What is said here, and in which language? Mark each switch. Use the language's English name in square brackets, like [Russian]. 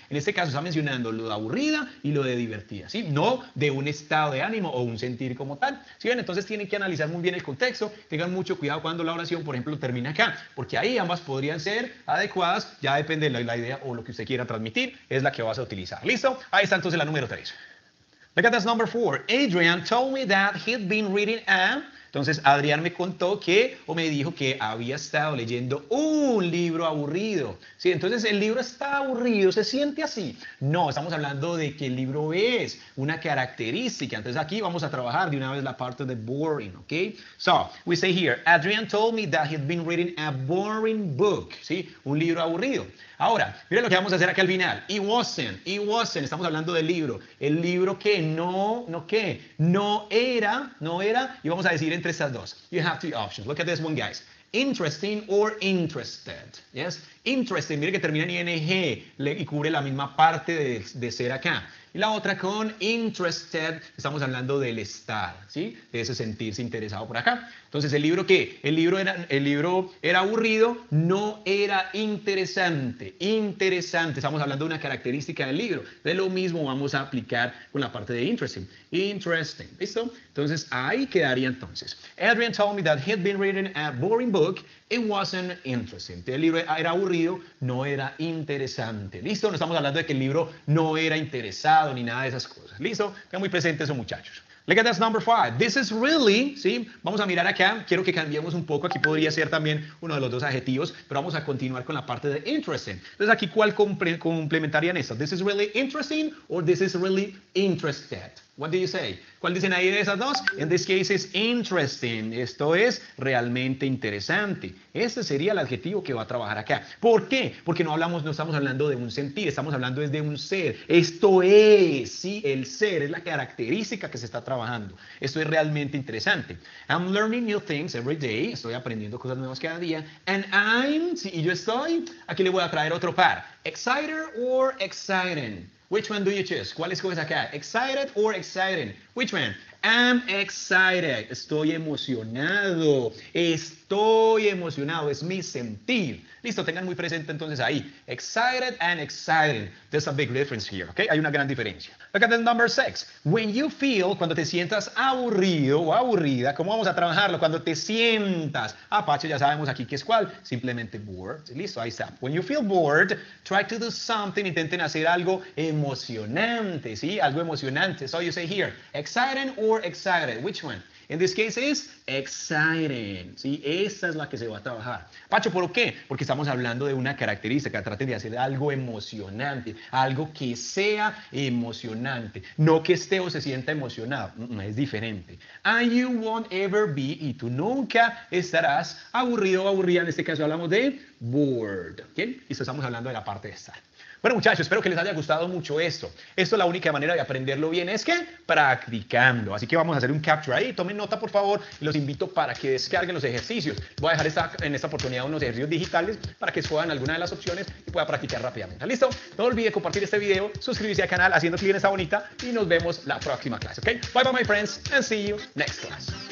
[Spanish] En este caso, está mencionando lo de aburrida y lo de divertida, ¿sí? No de un estado de ánimo o un sentir como tal. ¿Sí ven? Entonces, tienen que analizar muy bien el contexto. Tengan mucho cuidado cuando la oración, por ejemplo, termina acá, porque ahí ambas podrían ser adecuadas. Ya depende de la idea o lo que usted quiera transmitir, es la que vas a utilizar. ¿Listo? Ahí está entonces la número 3. [English] Look at this number 4. Adrian told me that he'd been reading a... [Spanish] Entonces, Adrián me contó que, o me dijo que había estado leyendo un libro aburrido. Sí, entonces, el libro está aburrido, se siente así. No, estamos hablando de que el libro es una característica. Entonces, aquí vamos a trabajar de una vez la parte de boring, ¿ok? [English] So, we say here, Adrian told me that he'd been reading a boring book. [Spanish] Sí, un libro aburrido. Ahora, mira lo que vamos a hacer acá al final. [English] It wasn't. [Spanish] Estamos hablando del libro. El libro que no. No era. Y vamos a decir entre estas dos. [English] You have two options. Look at this one, guys. Interesting or interested. Yes. Interesting. [Spanish] Mire que termina en ING y cubre la misma parte de ser acá. Y la otra con interested. Estamos hablando del estar, ¿sí? De ese sentirse interesado por acá. Entonces, ¿el libro qué? El libro era aburrido, no era interesante. Interesante. Estamos hablando de una característica del libro. De lo mismo vamos a aplicar con la parte de interesting. Interesting. ¿Listo? Entonces, ahí quedaría entonces. [English] Adrian told me that he'd been reading a boring book. It wasn't interesting. [Spanish] El libro era aburrido, no era interesante. ¿Listo? No estamos hablando de que el libro no era interesado ni nada de esas cosas. ¿Listo? Tengan muy presente eso, muchachos. [English] Look at this number 5. This is really, [Spanish] ¿sí? Vamos a mirar acá. Quiero que cambiemos un poco. Aquí podría ser también uno de los dos adjetivos, pero vamos a continuar con la parte de interesting. Entonces, aquí, ¿cuál complementarían esto? [English] This is really interesting or this is really interested? What do you say? [Spanish] ¿Cuál dicen ahí de esas dos? [English] In this case, it's interesting. [Spanish] Esto es realmente interesante. Este sería el adjetivo que va a trabajar acá. ¿Por qué? Porque no estamos hablando de un sentir, estamos hablando es de un ser. Esto es, sí, el ser, es la característica que se está trabajando. Esto es realmente interesante. [English] I'm learning new things every day. [Spanish] Estoy aprendiendo cosas nuevas cada día. [English] And I'm, [Spanish] sí, y yo estoy, aquí le voy a traer otro par. [English] Excited or exciting? Which one do you choose? [Spanish] ¿Cuál escoges acá? [English] Excited or exciting? Which one? I'm excited. [Spanish] Estoy emocionado. Estoy emocionado. Es mi sentir. Listo, tengan muy presente entonces ahí. [English] Excited and exciting. There's a big difference here, ¿ok? [Spanish] Hay una gran diferencia. [English] Look at the number 6. When you feel, [Spanish] cuando te sientas aburrido o aburrida, ¿cómo vamos a trabajarlo? Cuando te sientas, Apache, ya sabemos aquí qué es cuál. Simplemente bored. Listo, ahí está. [English] When you feel bored, try to do something. [Spanish] Intenten hacer algo emocionante, ¿sí? Algo emocionante. [English] So you say here, exciting or excited. Which one? In this case is exciting. [Spanish] Sí, esa es la que se va a trabajar. Pacho, ¿por qué? Porque estamos hablando de una característica. Traten de hacer algo emocionante. Algo que sea emocionante. No que esté o se sienta emocionado. Es diferente. [English] And you won't ever be, [Spanish] y tú nunca estarás aburrido o aburrida. En este caso hablamos de bored. ¿Bien? Y estamos hablando de la parte de estar. Bueno, muchachos, espero que les haya gustado mucho esto. Esto, la única manera de aprenderlo bien es que practicando. Así que vamos a hacer un capture ahí. Tomen nota, por favor. Los invito para que descarguen los ejercicios. Voy a dejar en esta oportunidad unos ejercicios digitales para que escojan alguna de las opciones y pueda practicar rápidamente. ¿Listo? No olvide compartir este video, suscribirse al canal haciendo clic en esa bonita y nos vemos la próxima clase, ¿ok? [English] Bye, bye, my friends, and see you next class.